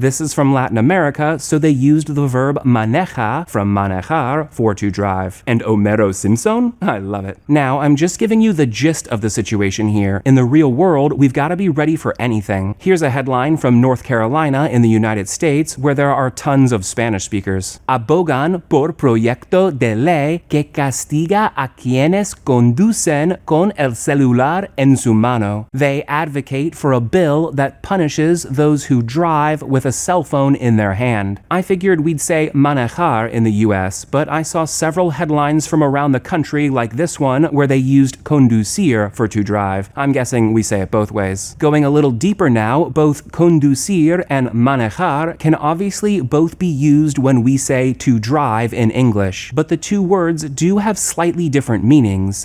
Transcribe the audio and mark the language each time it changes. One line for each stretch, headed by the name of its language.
English: This is from Latin America, so they used the verb maneja from manejar for to drive. And Homero Simpson? I love it. Now, I'm just giving you the gist of the situation here. In the real world, we've got to be ready for anything. Here's a headline from North Carolina in the United States, where there are tons of Spanish speakers.
Spanish: Abogan por proyecto de ley que castiga a quienes conducen con el celular en su mano.
English: They advocate for a bill that punishes those who drive with a cell phone in their hand. I figured we'd say manejar in the US, but I saw several headlines from around the country like this one where they used conducir for to drive. I'm guessing we say it both ways. Going a little deeper now, both conducir and manejar can obviously both be used when we say to drive in English, but the two words do have slightly different meanings.